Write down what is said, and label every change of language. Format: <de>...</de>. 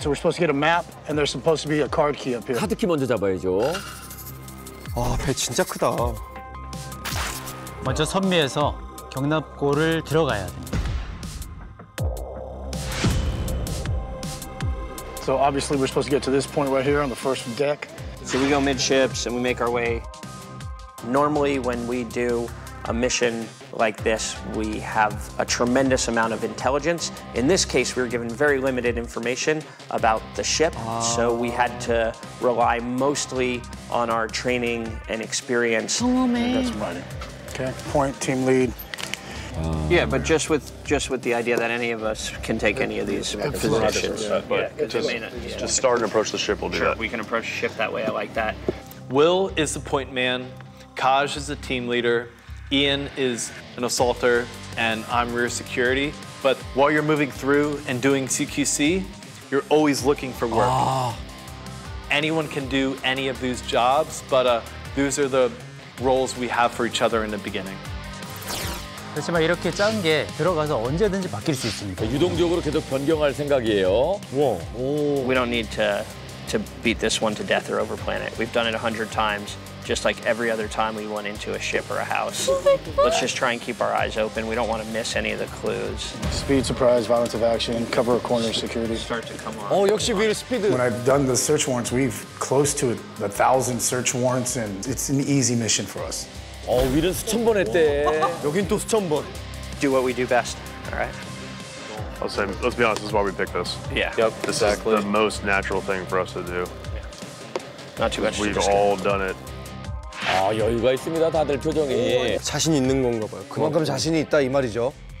<en>So we're supposed to get a map and there's supposed to be a card key up here.</en> <ko>카드 키 먼저 잡아야죠. 아, 배 진짜 크다. 먼저 선미에서 경납고를 들어가야 됩니다.</ko> <en>So obviously we're supposed to get to this point right here on the first deck. So we go midships and we make our way. Normally when we do a mission like this, we have a tremendous amount of intelligence. In this case, we were given very limited information about the ship. So we had to rely mostly on our training and experience. Oh, man. And that's about it. Okay. Point team lead. Yeah, but just with the idea that any of us can take any of these positions. Just start and approach the ship. We'll do sure, that. We can approach the ship that way. I like that. Will is the point man. Kaj is the team leader. Ian is an assaulter, and I'm rear security. But while you're moving through and doing CQC, you're always looking for work. Oh. Anyone can do any of these jobs, but these are the roles we have for each other in the beginning.</en> <ko>그렇지만 이렇게 짠 게 들어가서 언제든지 바뀔 수 있으니까 유동적으로 계속 변경할 생각이에요. 와.</ko> <en>We don't need to beat this one to death or overplan it. We've done it 100 times, just like every other time we went into a ship or a house. Let's just try and keep our eyes open. We don't want to miss any of the clues. Speed, surprise, violence of action, cover a corner, security. Start to come on.</en> <ko>어, 역시 위로 스피드.</ko> <en>When I've done the search warrants, we've close to 1,000 search warrants, and it's an easy mission for us.</en> <ko>어, 위는 수천 번 했대. 여긴 또 수천 번.</ko> <en>Do what we do best, all right? I'll say, let's be honest, this is why we picked this. Yeah, yep, this exactly. This is the most natural thing for us to do. Yeah. Not too much. We've all done it.</en> <ko>아, 여유가 있습니다, 다들 표정이. 자신 있는 건가 봐요. 그만큼 자신이 있다, 이 말이죠.</ko>